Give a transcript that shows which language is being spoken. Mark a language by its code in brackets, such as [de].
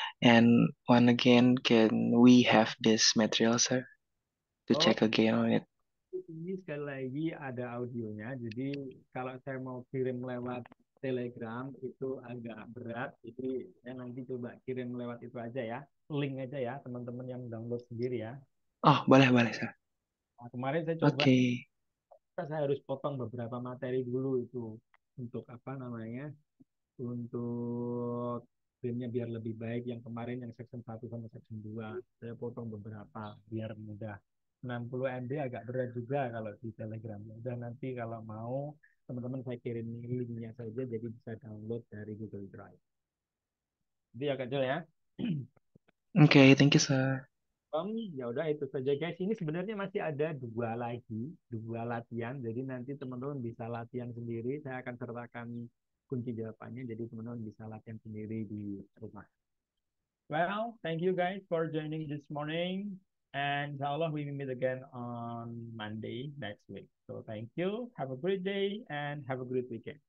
[en] And one again, can we have this material, sir, to Oh, check again on it? [id] ini sekali lagi ada audionya. Jadi kalau saya mau kirim lewat Telegram itu agak berat. Jadi saya nanti coba kirim lewat itu aja ya. Link aja ya, teman-teman yang download sendiri ya. Oh, boleh, boleh, sir. Nah, kemarin saya coba, [en] Okay. [id] saya harus potong beberapa materi dulu itu untuk apa namanya, untuk filmnya biar lebih baik. Yang kemarin yang section 1 sama section 2, saya potong beberapa biar mudah. 60 MB agak berat juga kalau di Telegram. Dan nanti kalau mau, teman-teman saya kirim linknya saja, jadi bisa download dari Google Drive. Jadi ya, Kak Jo ya. [en] Okay, thank you, sir. [id] Ya udah itu saja guys. Ini sebenarnya masih ada dua lagi, dua latihan. Jadi nanti teman-teman bisa latihan sendiri. Saya akan sertakan kunci jawabannya. Jadi teman-teman bisa latihan sendiri di rumah. [en] Well, thank you guys for joining this morning. And insyaallah we will meet again on Monday next week. So thank you. Have a great day and have a great weekend.